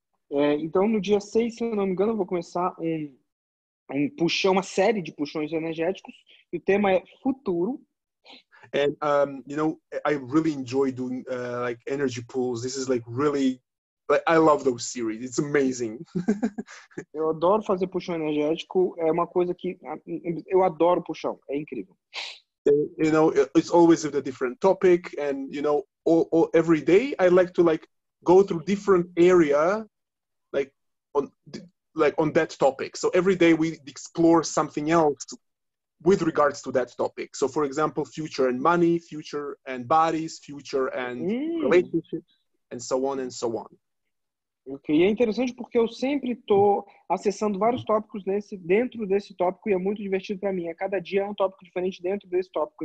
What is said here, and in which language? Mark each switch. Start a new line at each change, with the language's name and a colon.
Portuguese: Então, no dia 6, se não me engano, eu vou começar um puxão, uma série de puxões energéticos, e o tema é futuro.
English: And, you know, I really enjoy doing energy pools. This is really... I love those series. It's amazing.
Portuguese: Eu adoro fazer puxão energético. É uma coisa que... Eu adoro puxão. É incrível.
English: You know, it's always a different topic. And, you know, every day I like to, go through different area, on that topic. So every day we explore something else with regards to that topic. So, for example, future and money, future and bodies, future and relationships, and so on and so on.
Portuguese: Ok, e é interessante porque eu sempre estou acessando vários tópicos dentro desse tópico e é muito divertido para mim. A cada dia é um tópico diferente dentro desse tópico.